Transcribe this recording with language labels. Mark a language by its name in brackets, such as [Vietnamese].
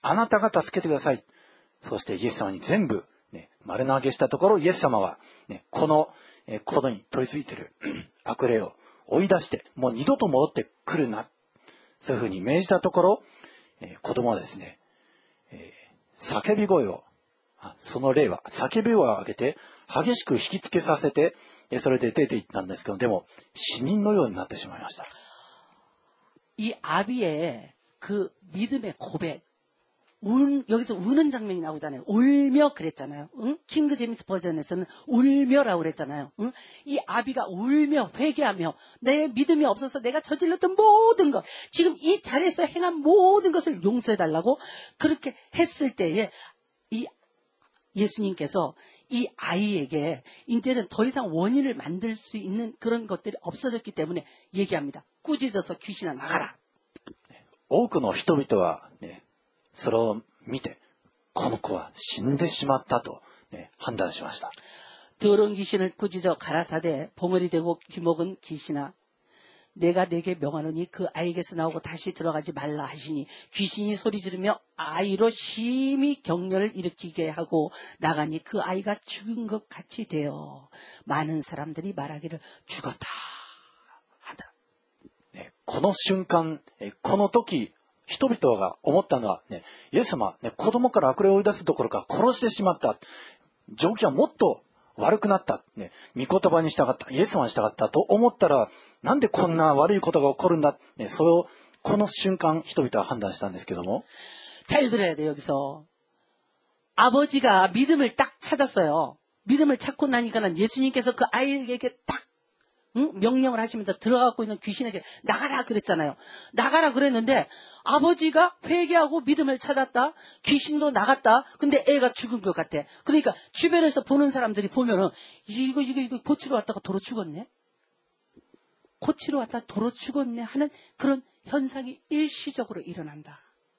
[Japanese] あなたが助けてください。そしてイエス様に全部、ね、丸投げしたところ、イエス様は、ね、この子供に取り付いている悪霊を追い出して、もう二度と戻ってくるな。そういうふうに命じたところ、子供はですね、叫び声を、その霊は叫び声を上げて激しく引きつけさせて、それで出ていったんですけど、でも死人のようになってしまいました。 [Korean] 이아비의그믿음의고백 여기서 우는 장면이 나오잖아요. 울며 그랬잖아요. 응? 킹 제임스 버전에서는 울며라고 그랬잖아요. 응? 이 아비가 울며 회개하며 내 믿음이 없어서 내가 저질렀던 모든 것, 지금 이 자리에서 행한 모든 것을 용서해달라고 그렇게 했을 때에 이 예수님께서 이 아이에게 이제는 더 이상 원인을 만들 수 있는 그런 것들이 없어졌기 때문에 얘기합니다. 꾸짖어서 귀신아 나가라. [Japanese] 多くの人々は、ね、それを見て、この子は死んでしまったと、ね、判断しました。 [Korean] 더러운 귀신을 꾸짖어 가라사대 봉어리 되고 귀먹은 귀신아 내가 내게 명하노니 그 아이에게서 나오고 다시 들어가지 말라 하시니 귀신이 소리 지르며 아이로 심히 경련을 일으키게 하고 나가니 그 아이가 죽은 것 같이 되어 많은 사람들이 말하기를 죽었다 [Japanese] この瞬間、この時、人々が思ったのは、ね、イエス様、ね、子供から悪霊を追い出すどころか殺してしまった。状況はもっと悪くなった。ね、御言葉に従った。イエス様に従ったと思ったら、なんでこんな悪いことが起こるんだ。ね、それを、この瞬間、人々は判断したんですけども。ちゃんと [Korean] 들어야돼、여기서。 아버지が믿음을딱찾았어요。 믿음을찾고나니까는、イエス님께서그아이에게딱、응? 명령을하시면서들어가고있는귀신에게나가라그랬잖아요나가라그랬는데아버지가회개하고믿음을찾았다귀신도나갔다근데애가죽은것같아그러니까주변에서보는사람들이보면은이거고치러왔다가도로죽었네고치러왔다가도로죽었네하는그런현상이일시적으로일어난다